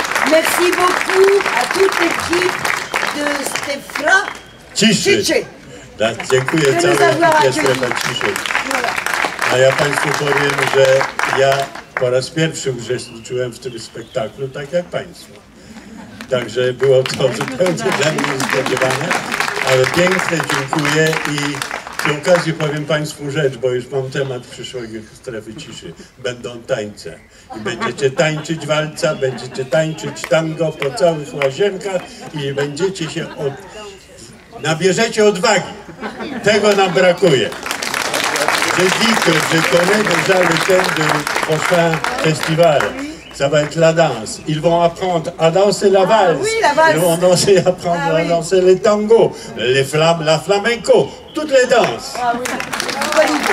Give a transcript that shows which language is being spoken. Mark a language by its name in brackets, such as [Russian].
[French] Merci beaucoup à toute l'équipe de Stefra [Polish] Ciszy. Dziękuję całej Stefra Ciszy. A ja państwu powiem, że ja po raz pierwszy uczestniczyłem w tym spektaklu, tak jak państwo. Także było to zupełnie dla mnie niespodziewane. Ale piękne, dziękuję i przy okazji powiem państwu rzecz, bo już mam temat przyszłego Strefy Ciszy. Będą tańce. I będziecie tańczyć walca, będziecie tańczyć tango po całych łazienkach i będziecie się nabierzecie odwagi. Tego nam brakuje. [French] J'ai dit que je connais déjà le thème du prochain festival. Ça va être la danse. Ils vont apprendre à danser la valse. Oui, la valse. Ils vont danser, apprendre à danser les tangos, les flammes, la flamenco, toutes les danses. Ah oui. Bonne idée.